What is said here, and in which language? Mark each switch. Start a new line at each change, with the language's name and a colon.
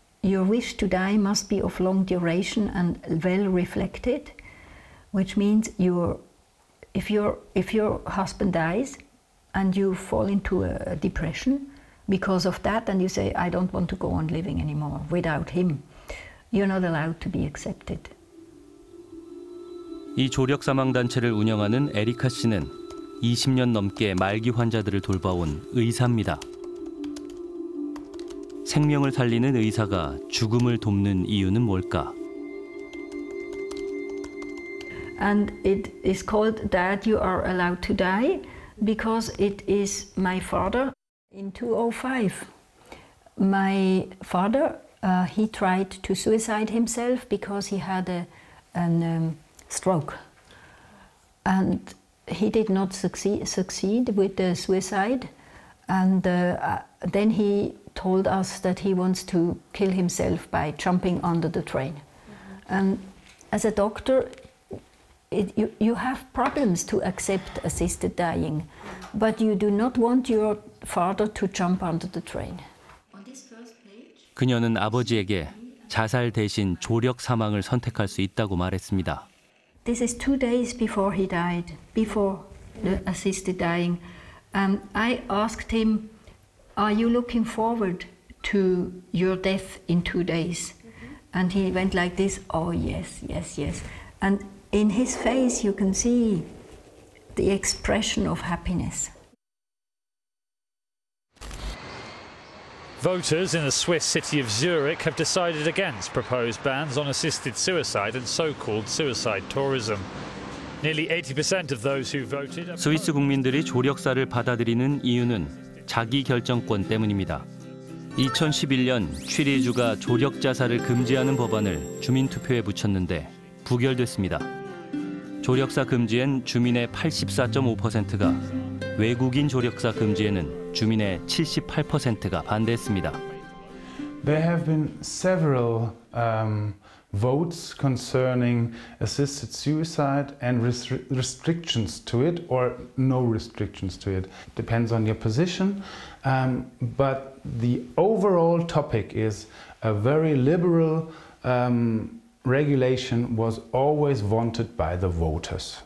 English: Your wish to die must be of long duration and well reflected, which means if your husband dies and you fall into a depression because of that and you say, I don't want to go on living anymore without him, you're not allowed to be accepted.
Korean: 이 조력 사망 단체를 운영하는 에리카 씨는 20년 넘게 말기 환자들을 돌봐온 의사입니다. 생명을 살리는 의사가 죽음을 돕는 이유는 뭘까?
English: And it is called that you are allowed to die because it is my father. In 2005, my father, he tried to suicide himself because he had a stroke. And he did not succeed with the suicide, and then he told us that he wants to kill himself by jumping under the train. Mm-hmm. And as a doctor, you have problems to accept assisted dying, but you do not want your father to jump under the train.
Korean: 그녀는 아버지에게 자살 대신 조력 사망을 선택할 수 있다고 말했습니다.
English: This is 2 days before he died, before the assisted dying. I asked him, are you looking forward to your death in 2 days? And he went like this, oh yes, yes, yes. And in his face you can see the expression of happiness. Voters in the Swiss city of Zurich have decided against proposed bans on assisted suicide and so-called suicide tourism. Nearly 80% of those who voted.
Korean: 스위스 국민들이 조력사를 받아들이는 이유는 자기 결정권 때문입니다. 2011년 취리주가 조력 자살을 금지하는 법안을 주민 투표에 붙였는데 부결됐습니다. 조력사 금지엔 주민의 84.5%가 외국인 조력사 금지에는 주민의 78%가 반대했습니다.
English: There have been several votes concerning assisted suicide and restrictions to it or no restrictions to it. Depends on your position. But the overall topic is a very liberal regulation was always wanted by the voters.